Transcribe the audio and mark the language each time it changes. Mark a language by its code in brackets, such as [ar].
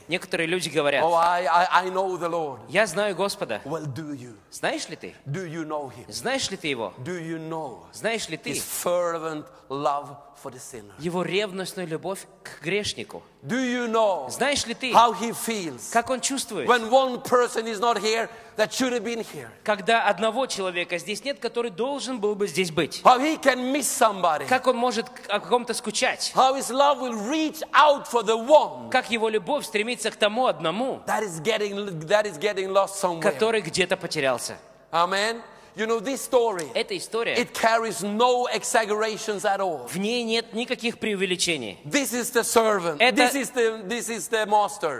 [ru] некоторые люди говорят, [en] oh, I know the Lord. [ru] Я знаю Господа. [en] Well, do you? [ru] Знаешь ли ты? [en] Do you know him? [ru] Знаешь ли ты его? [en] Do you know? [ru] Знаешь ли ты? [en] His fervent love for the sinner. [ru] Его ревностную любовь к грешнику. [en] Do you know? [ru] Знаешь ли ты? [en] How he feels? [ru] Как он чувствует? [en] When one person is not here that should have been here. [ru] Когда одного человека здесь нет, который должен был бы здесь быть. [en] How he can miss somebody? [ru] Как он может о ком-то скучать? [en] How his love will reach out for the one? [ru] Как его любовь стремится к тому одному? [en] That is getting lost somewhere. [ru] Который где-то потерялся. [en] Amen. You know this story. [ru] Эта история. [en] It carries no exaggerations at all. [ru] В ней нет никаких преувеличений. [en] This is the servant. [ru] Это, [en] this is the master.